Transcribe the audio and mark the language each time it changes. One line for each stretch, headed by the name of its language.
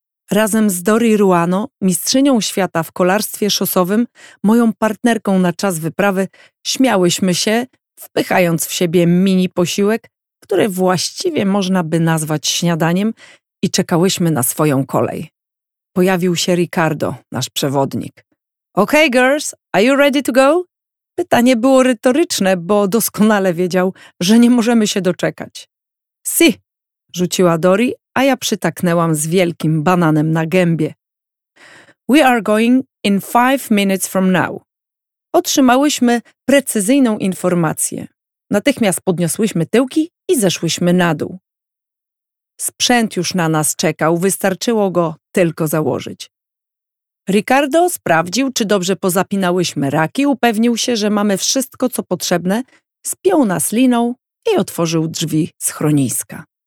Polish: Razem z Dori Ruano, mistrzynią świata w kolarstwie szosowym, moją partnerką na czas wyprawy, śmiałyśmy się, wpychając w siebie mini posiłek, który właściwie można by nazwać śniadaniem, i czekałyśmy na swoją kolej. Pojawił się Ricardo, nasz przewodnik.
English: Okay, girls, are you ready to go?
Polish: Pytanie było retoryczne, bo doskonale wiedział, że nie możemy się doczekać. Si, rzuciła Dori, a ja przytaknęłam z wielkim bananem na gębie.
English: We are going in 5 minutes from now.
Polish: Otrzymałyśmy precyzyjną informację. Natychmiast podniosłyśmy tyłki i zeszłyśmy na dół. Sprzęt już na nas czekał, wystarczyło go tylko założyć. Ricardo sprawdził, czy dobrze pozapinałyśmy raki, upewnił się, że mamy wszystko, co potrzebne, spiął nas liną i otworzył drzwi schroniska.